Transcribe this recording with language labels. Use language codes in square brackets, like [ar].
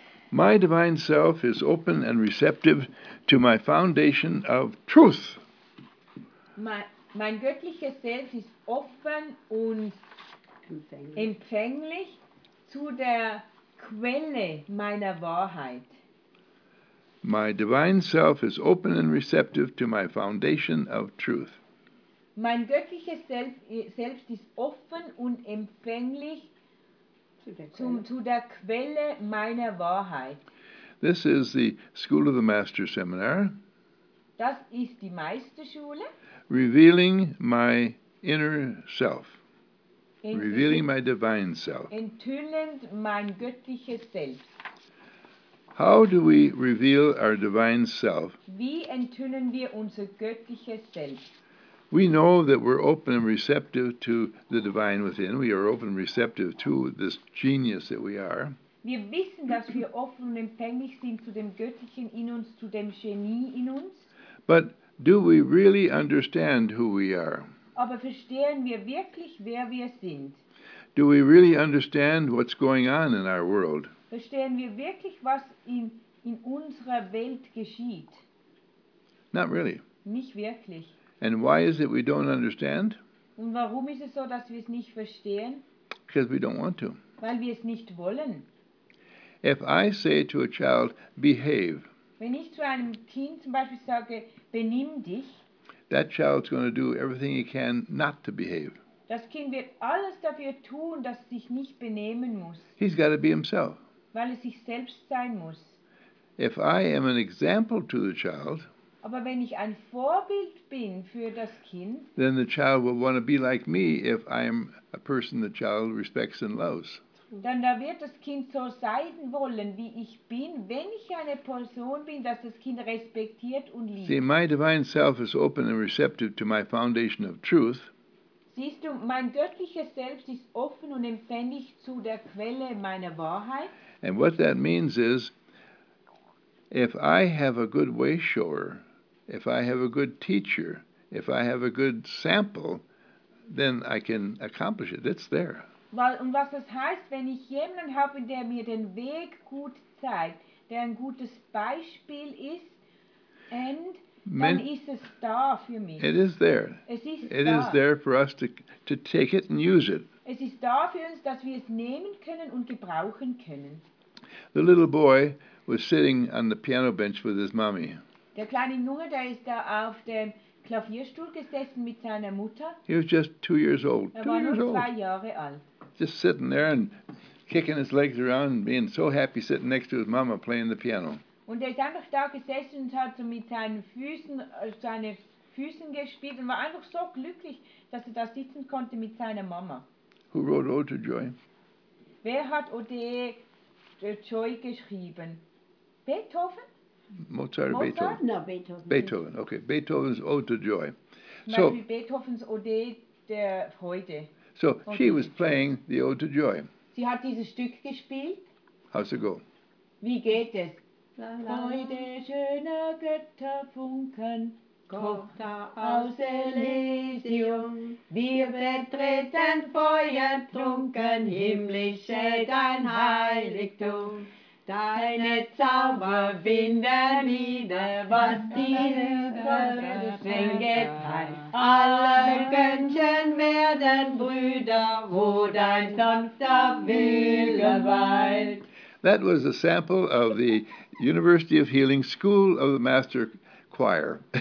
[en] My divine self is open and receptive to my foundation of truth. [de] Mein göttliches Selbst ist offen und empfänglich zu der Quelle meiner Wahrheit. [en] My divine self is open and receptive to my foundation of truth. [de] Mein göttliches Selbst ist offen und empfänglich zu der Quelle meiner Wahrheit. [en] This is the School of the Master Seminar. [de] Das ist die Meisterschule. [en] Revealing my inner self. Revealing my divine self. [de] Enthüllend mein göttliches Selbst. [en] How do we reveal our divine self? [de] Wie enthüllen wir unser göttliches Selbst? [en] We know that we're open and receptive to the divine within. We are open and receptive to this genius that we are. [de] Wir wissen, dass wir offen und empfänglich sind zu dem Göttlichen in uns, zu dem Genie in uns. [en] But do we really understand who we are? [de] Aber verstehen wir wirklich, wer wir sind? [en] Do we really understand what's going on in our world? [de] Verstehen wir wirklich, was in unserer Welt geschieht? [en] Not really. [de] Nicht wirklich. [en] And why is it we don't understand? [de] Und warum ist es so, dass wir es nicht verstehen? [en] Because we don't want to. [de] Weil wir es nicht wollen. [en] If I say to a child, behave. [de] Wenn ich zu einem Kind zum Beispiel sage, benimm dich. [en] That child's going to do everything he can not to behave. [de] Das Kind wird alles dafür tun, dass es sich nicht benehmen muss. [en] He's got to be himself. [de] Weil es sich selbst sein muss. [en] If I am an example to the child. [de] Aber wenn ich ein Vorbild bin für das Kind. [en] Then the child will want to be like me if I am a person the child respects and loves. [de] Dann da wird das Kind so sein wollen, wie ich bin, wenn ich eine Person bin, dass das Kind respektiert und liebt. [en] See, my divine self is open and receptive to my foundation of truth. [de] Siehst du, mein göttliches Selbst ist offen und empfänglich zu der Quelle meiner Wahrheit. [en] And what that means is, if I have a good way shower, if I have a good teacher, if I have a good sample, then I can accomplish it. It's there. [de] Und was das heißt, wenn ich jemanden habe, der mir den Weg gut zeigt, der ein gutes Beispiel ist, and dann ist es da für mich. [en] It is there. [de] Es ist [en] it [de] da. [en] Is there for us to take it and use it. [de] Es ist da für uns, dass wir es nehmen können und gebrauchen können. [en] The little boy was sitting on the piano bench with his mommy. [de] Der kleine Junge, der ist da auf dem Klavierstuhl gesessen mit seiner Mutter. [en] He was just 2 years old. [de] Er war nur 2 Jahre alt. [en] Just sitting there and kicking his legs around and being so happy sitting next to his mama playing the piano. [de] Und er ist einfach da gesessen und hat so mit seinen Füßen gespielt und war einfach so glücklich, dass er da sitzen konnte mit seiner Mama. [en] Who wrote Ode to Joy? [de] Wer hat Ode to Joy geschrieben? [en] Beethoven? Mozart or Beethoven? No, Beethoven. Beethoven, okay. Beethoven's Ode to Joy. [de] So, wie Beethoven's Ode der Freude. [en] So she was playing the Ode to Joy. [de] Sie hat dieses Stück gespielt. [en] How's it go? [de] Wie geht es? Freude, schöne Götterfunken, kocht aus Elysium. Wir betreten feuertrunken, himmlische dein Heiligtum. Deine Zauber winden nieder, was dieses Geschenke teilt. Alle Göttchen werden Brüder, wo dein sanfter Wille weilt. [en] That was a sample of the University of Healing School of the Master Choir.